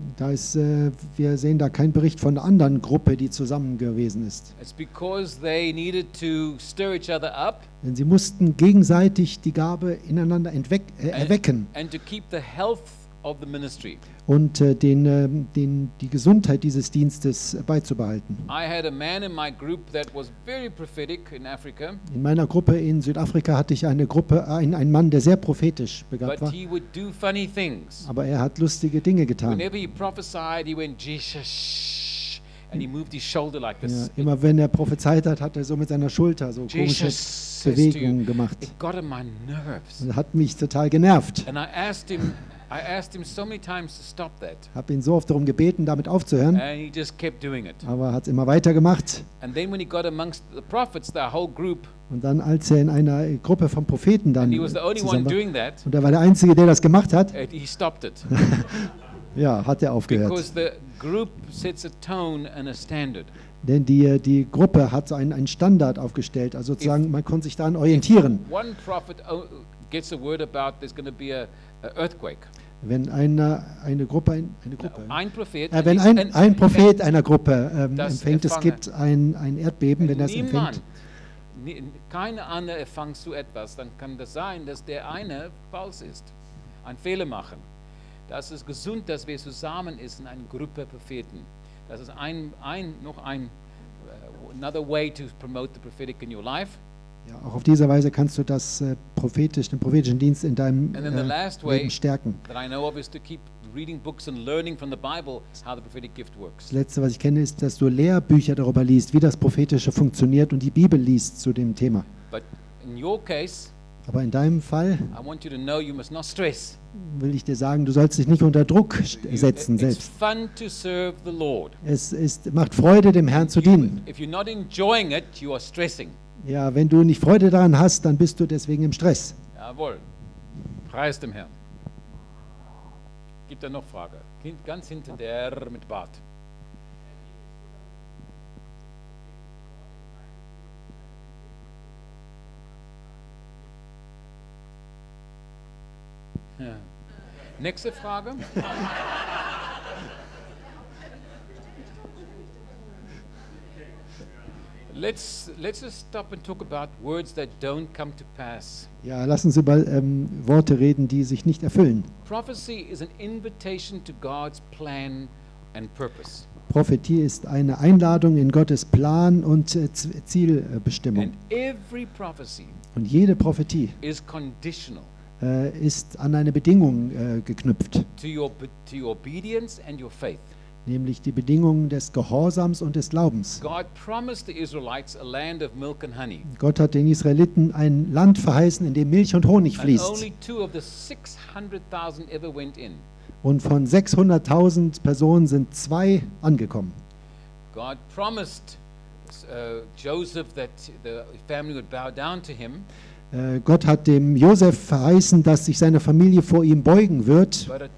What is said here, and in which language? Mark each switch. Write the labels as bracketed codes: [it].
[de] Da ist, wir sehen da keinen Bericht von einer anderen Gruppe, die zusammen gewesen ist. [en] It's because they needed to stir each other up. [de] Denn sie mussten gegenseitig die Gabe ineinander erwecken. [en] And to keep the health of the ministry. [de] Und die Gesundheit dieses Dienstes beizubehalten. [en] I had a man in my group that was very prophetic in Africa. [de] In meiner Gruppe in Südafrika hatte ich einen Mann, der sehr prophetisch begabt [en] but But he would do funny things. [de] Aber er hat lustige Dinge getan. [en] Whenever he prophesied, he went Jesus, and he moved his shoulder like this. Ja, [de] immer wenn er prophezeit hat, hat er so mit seiner Schulter so komische Bewegungen gemacht. [en] It got on my nerves. [de] Und hat mich total genervt. [en] And I asked him. I asked him so many times to stop that. [de] Hab ihn so oft darum gebeten, damit aufzuhören. [en] And he just kept doing it. [de] Aber hat's immer weiter gemacht. [en] And then when he got amongst the prophets, the whole group. [de] Und dann, als er in einer Gruppe von Propheten dann zusammen war, und er war der Einzige, der das gemacht hat. [en] He stopped it. [de] Ja, hat er aufgehört. [en] Because the group sets a tone and a standard. [de] Denn die Gruppe hat so einen Standard aufgestellt, also sozusagen man konnte sich daran orientieren. [en] If one prophet gets a word about there's going to be an earthquake. [de] Wenn eine Gruppe ein Prophet, wenn ein Prophet einer Gruppe empfängt, es gibt ein Erdbeben, wenn er es empfängt. Kein anderer empfängt so etwas, dann kann das sein, dass der eine falsch ist, einen Fehler machen. Das ist gesund, dass wir zusammen sind in einer Gruppe Propheten. Das ist ein noch ein [en] another way to promote the prophetic in your life. [de] Ja, auch auf diese Weise kannst du das den prophetischen Dienst in deinem Leben stärken. [en] That I know of is to keep reading books and learning from the Bible how the prophetic gift works. [de] Das Letzte, was ich kenne, ist, dass du Lehrbücher darüber liest, wie das prophetische funktioniert und die Bibel liest zu dem Thema. [en] But in your case, [de] aber in deinem Fall, [en] I want you to know you must not stress. [de] Will ich dir sagen, du sollst dich nicht unter Druck setzen selbst. [en] It's fun to serve the Lord. [de] Macht Freude, dem Herrn zu dienen. [en] If you're not enjoying it, you are stressing. [de] Ja, wenn du nicht Freude daran hast, dann bist du deswegen im Stress. Jawohl. Preis dem Herrn. Gibt da noch Frage? Kind ganz hinter der mit Bart. Ja. Nächste Frage. [en] Let's stop and talk about words that don't come to pass. [de] Ja, lassen Sie mal Worte reden, die sich nicht erfüllen. [en] Prophecy is an invitation to God's plan and purpose. [de] Prophetie ist eine Einladung in Gottes Plan und Zielbestimmung. [en] And every prophecy [de] und jede Prophetie [en] is conditional. [de] Ist an eine Bedingung geknüpft. [en] To your obedience and your faith. [de] Nämlich die Bedingungen des Gehorsams und des Glaubens. [en] God promised the Israelites a land of milk and honey. [de] Gott hat den Israeliten ein Land verheißen, in dem Milch und Honig fließt. [en] And only 2 of the 600,000 ever went in. [de] Und von 600,000 Personen sind 2 angekommen. [en] God promised Joseph that the family would bow down to him. [de] Gott hat dem Josef verheißen, dass sich seine Familie vor ihm beugen wird.